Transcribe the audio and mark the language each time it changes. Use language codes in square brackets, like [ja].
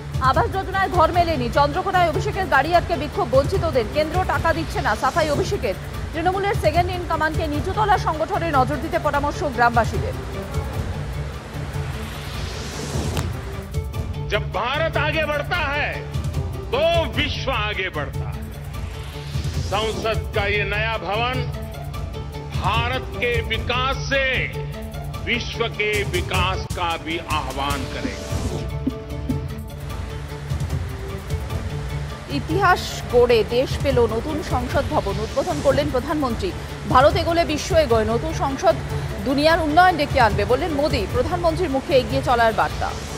[bn] আবাস যোজনায় ঘর মেলেনি, চন্দ্রকোনায় অভিষেকের গাড়ি আটকে বিক্ষোভ বঞ্চিতদের, কেন্দ্র টাকা দিচ্ছে না সাফাই অভিষেকের। তৃণমূলের সেকেন্ড ইন কমান্ডকে নিচুতলা সংগঠনে নজর দিতে পরামর্শ গ্রামবাসীদের। [hi] जब भारत आगे बढ़ता है तो विश्व आगे बढ़ता है। संसद का ये नया भवन भारत के विकास से विश्व के विकास का भी आह्वान करेगा। [bn] ইতিহাস গড়ে দেশ পেল নতুন সংসদ ভবন, উদ্বোধন করলেন প্রধানমন্ত্রী। ভারত এগোলে বিশ্ব এগোয়, নতুন সংসদ দুনিয়ার উন্নয়ন ডেকে আনবে বললেন মোদি, প্রধানমন্ত্রীর মুখে এগিয়ে চলার বার্তা।